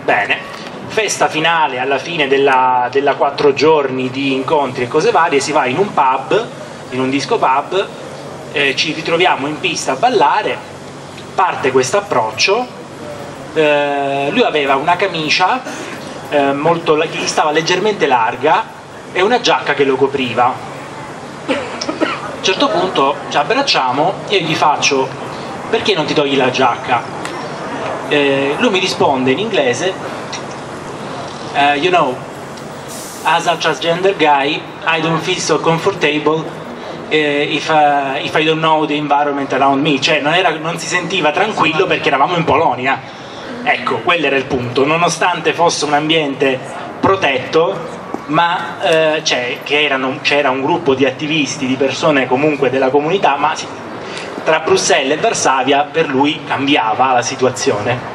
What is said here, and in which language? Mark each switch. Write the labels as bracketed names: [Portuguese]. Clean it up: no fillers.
[Italian] Bene, festa finale alla fine della quattro giorni di incontri e cose varie, si va in un pub, in un disco pub, ci ritroviamo in pista a ballare, parte questo approccio. Lui aveva una camicia molto, che gli stava leggermente larga, e una giacca che lo copriva. A un certo punto ci abbracciamo e io gli faccio: perché non ti togli la giacca? Lui mi risponde in inglese: [English] you know, as a transgender guy I don't feel so comfortable if I don't know the environment around me. [Italian] Cioè non si sentiva tranquillo perché eravamo in Polonia. Ecco, quello era il punto. Nonostante fosse un ambiente protetto, ma c'era un gruppo di attivisti, di persone comunque della comunità, ma sì, tra Bruxelles e Varsavia per lui cambiava la situazione.